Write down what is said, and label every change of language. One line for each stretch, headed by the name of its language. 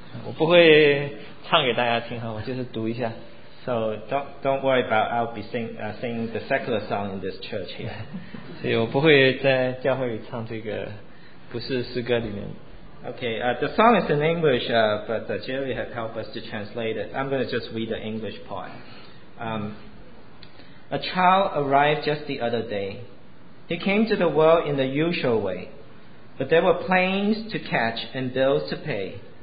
Chinese: 我不会唱给大家听，我就是读一下。So
English: don't worry about I'll be singing the secular song in this church here.
Chinese: 所以我不会在教会里唱这个不是诗歌里面的。
English: Okay, the song is in English, but Jerry had helped us to translate it. I'm going to just read the English part. A child arrived just the other day. He came to the world in the usual way, but there were planes to catch and bills to pay.